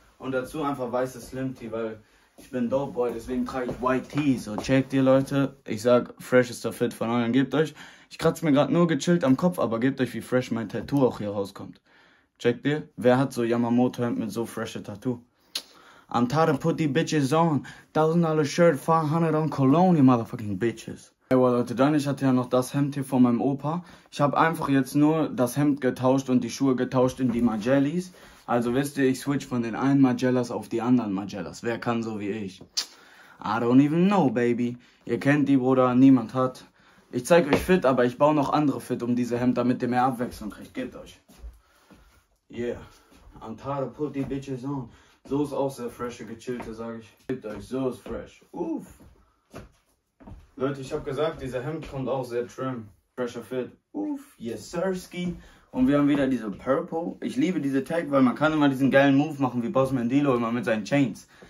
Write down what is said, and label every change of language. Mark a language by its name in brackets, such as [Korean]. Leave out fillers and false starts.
[German] Und dazu einfach weiße Slim Tee, weil ich bin Dope Boy, deswegen trage ich White Tee. So, checkt ihr, Leute. Ich sag, freshester Fit von euch. Gebt euch. Ich kratze mir gerade nur gechillt am Kopf, aber gebt euch, wie fresh mein Tattoo auch hier rauskommt. Checkt ihr? Wer hat so Yamamoto-Hemd mit so freshem Tattoo? [English] I'm tired of put the bitches on. $1,000 shirt, $500 cologne, you motherfucking bitches. [German] Ey, well, Leute, dann, ich hatte ja noch das Hemd hier von meinem Opa. Ich habe einfach jetzt nur das Hemd getauscht und die Schuhe getauscht in die Magellis. Also wisst ihr, ich switch von den einen Magellas auf die anderen Magellas. Wer kann so wie ich? [English] I don't even know, baby. [German] Ihr kennt die, Bruder, niemand hat. Ich zeig euch fit, aber ich baue noch andere fit um diese Hemd, damit ihr mehr Abwechslung kriegt. Gebt euch. [English] Yeah, I'm tired of put the bitches on. [German] So ist auch sehr fresher, gechillter, sag ich. Gebt euch, so ist fresh. Uff. Leute, ich hab gesagt, dieser Hemd kommt auch sehr trim. Fresher fit. Uff, yes, sirski. Und wir haben wieder diese Purple. Ich liebe diese Tag, weil man kann immer diesen geilen Move machen, wie Boss Mandilo immer mit seinen Chains.